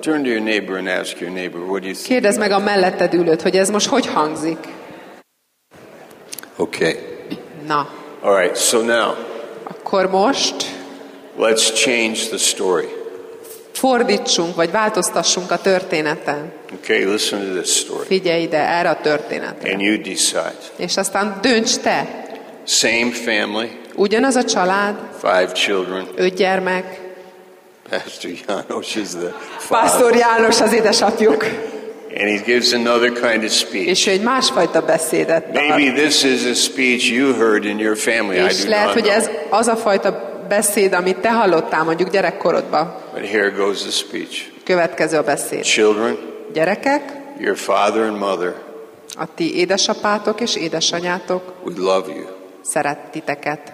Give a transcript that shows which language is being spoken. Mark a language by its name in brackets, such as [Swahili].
[English] Turn to your neighbor and ask your neighbor, what do you think? [Hungarian] Kérdezd meg a melletted ülőt, hogy ez most hogy hangzik. [English] Okay. [Hungarian] Na. [English] All right, so now. [Hungarian] Akkor most. [English] Let's change the story. [Hungarian] Fordítsunk, vagy változtassunk a történeten. [English] Okay, listen to this story. [Hungarian] Figyelj ide erre a történetre. [English] And you decide. [Hungarian] És aztán dönts te. [English] Same family. [Hungarian] Ugyanaz a család. [English] 5 children. [Hungarian] 5 gyermek. [English] Pastor János is the father. [Hungarian] Pastor János az édesapjuk. [English] And he gives another kind of speech. [Hungarian] És egy másfajta beszédet. [English] Maybe this is a speech you heard in your family. [Hungarian] És lehet, hogy ez az a fajta beszéd, amit te hallottál mondjuk gyerekkorodban. [English] But here goes the speech. [Hungarian] Következő a beszéd. [English] Children. [Hungarian] Gyerekek. [English] Your father and mother. [Hungarian] A ti édesapátok és édesanyátok. [English] We love you. [Hungarian] Szerettiteket.